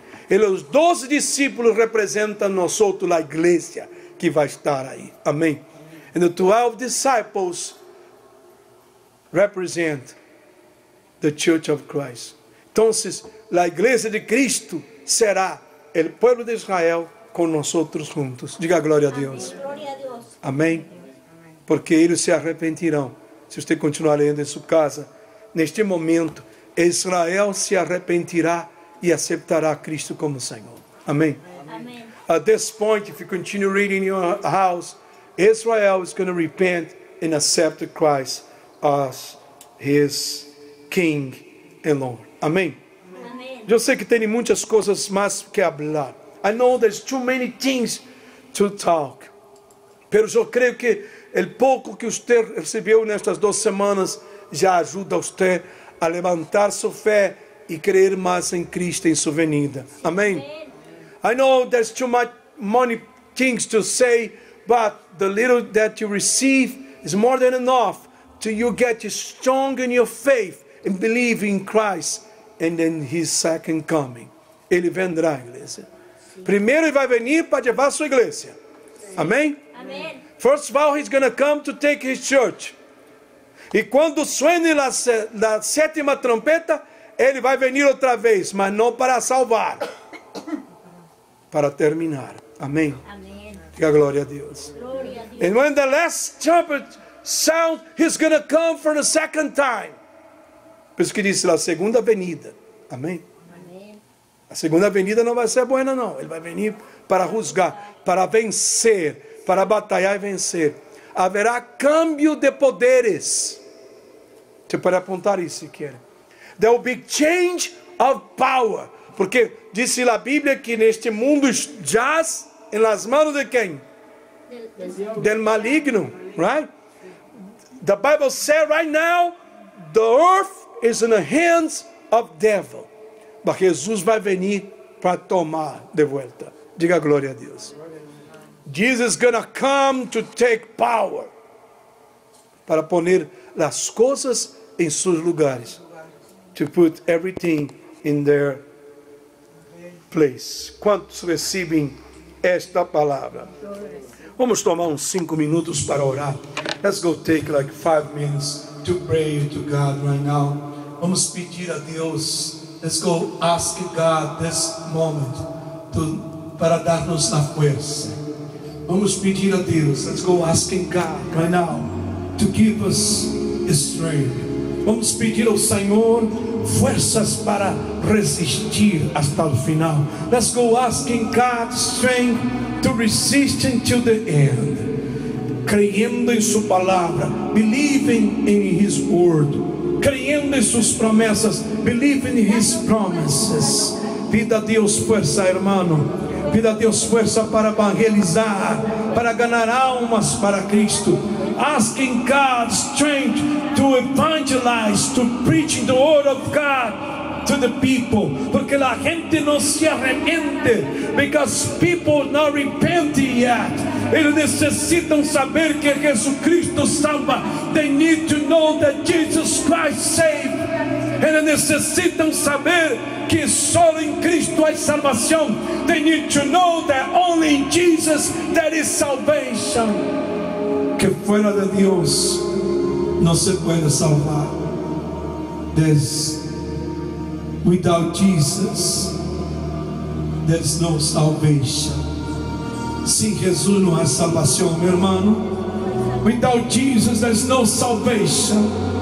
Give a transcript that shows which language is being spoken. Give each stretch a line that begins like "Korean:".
Portuguese: E os 12 discípulos representam nós outros, a igreja que vai estar aí. Amém?
English: And the 12 disciples represent the church of Christ.
Portuguese: Então, a igreja de Cristo será o povo de Israel com nós outros juntos. Diga glória a Deus. Amém. Glória a Deus. Amém? Porque eles se arrependirão. Se você continuar lendo em sua casa, neste momento, Israel se arrependirá e aceitará Cristo como Senhor. Amém? Amém.
English: At this point, if you continue reading in your house, Israel is going to repent and accept Christ as his King and Lord.
Portuguese: Amém? Amém. Eu sei que tem muitas coisas mais que falar.
English: I know there's too many things to talk.
Portuguese: Pero eu creio que o pouco que você recebeu nestas 2 semanas já ajuda você a levantar sua fé e crer mais em Cristo em sua venida. Amém? Amém.
English: I know there's too many things to say, but the little that you receive is more than enough to you get strong in your faith and believe in Christ and in his second coming.
Portuguese: Ele vendrá, igreja. Primeiro ele vai venir para levar sua igreja. Amém? Amém.
English: First of all, he's going to come to take his church.
Portuguese: E quando suene a sétima trompeta, ele vai venir outra vez, mas não para salvar. Para terminar. Amém. Amém. Que a glória a Deus. Glória a Deus.
English: And when the last trumpet sound, he's going to come for the second time.
Portuguese: Por isso que disse, a segunda venida. Amém. Amém. A segunda venida não vai ser boa, não. Ele vai venir para juzgar, para vencer, para batalhar e vencer. Haverá câmbio de poderes. Você pode apontar isso se quer.
English: There will be change of power.
Portuguese: Porque disse a Bíblia que neste mundo jaz em las mãos de quem?
Spanish: Del maligno. Right?
English: The Bible says right now, the earth is in the hands of devil.
Portuguese: Mas Jesus vai venir para tomar de volta. Diga glória a Deus.
English: Jesus is going to come to take power.
Spanish: Para poner las cosas en sus lugares.
English: To put everything in their place.
Portuguese: Quantos recebem esta palavra? Vamos tomar uns 5 minutos para orar.
English: Let's go take like 5 minutes to pray to God right now.
Portuguese: Vamos pedir a Deus.
English: Let's go ask God this moment
Portuguese: para dar-nos a força. Vamos pedir a Deus.
English: Let's go asking God right now to give us strength.
Portuguese: Vamos pedir ao Senhor forças para resistir até o final.
English: Let's go asking God strength to resist until the end.
Portuguese: Creyendo em sua palavra,
English: believing in his word.
Portuguese: Creyendo em suas promessas,
English: believing in his promises.
Portuguese: Pida a Deus força, irmão. Pida a Deus força para evangelizar, para ganhar almas para Cristo.
English: Asking God strength to evangelize, to preach the word of God to the people.
Spanish: Porque la gente no se arrepende.
English: Because people not repent yet.
Portuguese: Eles necessitam saber que Jesus Cristo salva.
English: They need to know that Jesus Christ saved.
Portuguese: Eles necessitam saber que só em Cristo há salvação.
English: They need to know that only in Jesus there is salvation.
Portuguese: Que fuera de Deus não se pode salvar.
English: There's without Jesus there's no salvation.
Portuguese: Sem Jesus não há salvação, meu irmão.
English: Without Jesus there's no salvation.